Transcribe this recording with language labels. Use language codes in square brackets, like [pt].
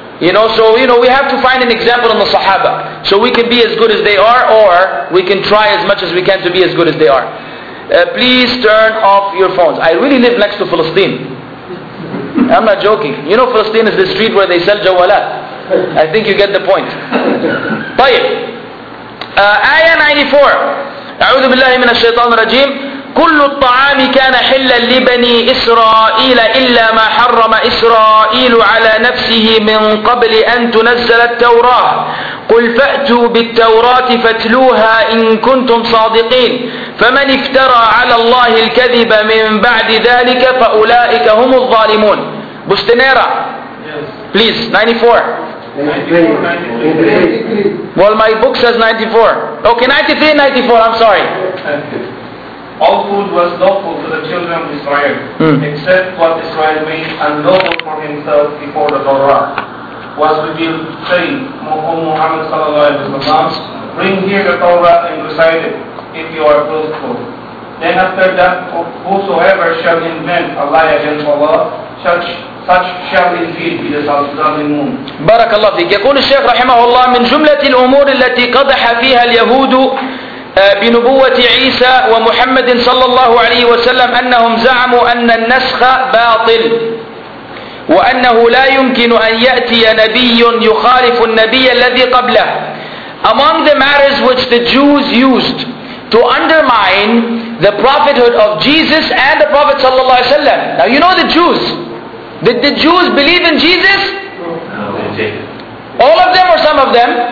[en] You know, so, you know, we have to find an example in the Sahaba, so we can be as good as they are, or we can try as much as we can to be as good as they are. Please turn off your phones. I really live next to Palestine. I'm not joking. You know, Palestine is the street where they sell Jawalat. I think you get the point. طيب Ayah 94. [ar] أعوذ بالله من الشيطان الرجيم. كل الطعام كان حلا لبني إسرائيل إلا ما حرم إسرائيل على نفسه من قبل أن تنزل التوراة. قل فأتوا بالتوراة فاتلوها إن كنتم صادقين. فمن افترى على الله الكذب من بعد ذلك فأولئك هم الظالمون. [en] بستنيرا. Please, 94. 93. Well, my book says 94. Okay, 93, 94, I'm sorry. All food was lawful to the children of Israel, except what Israel made unlawful for himself before the Torah was revealed, saying, O Muhammad sallallahu alayhi wa sallam, bring here the Torah and recite it, if you are truthful. Then after that, whosoever shall invent a lie against Allah, such shall be the [ar] بارك الله فيك. يقول الشيخ رحمه الله, من جملة الأمور التي قدح فيها اليهود بنبوة عيسى ومحمد صلى الله عليه وسلم أنهم زعموا أن النسخ باطل, وأنه لا يمكن أن يأتي نبي يخالف النبي الذي قبله. [en] Among the matters which the Jews used to undermine the prophethood of Jesus and the Prophet [ar] صلى الله عليه وسلم. [en] Now you know the Jews. Did the Jews believe in Jesus? No. All of them or some of them?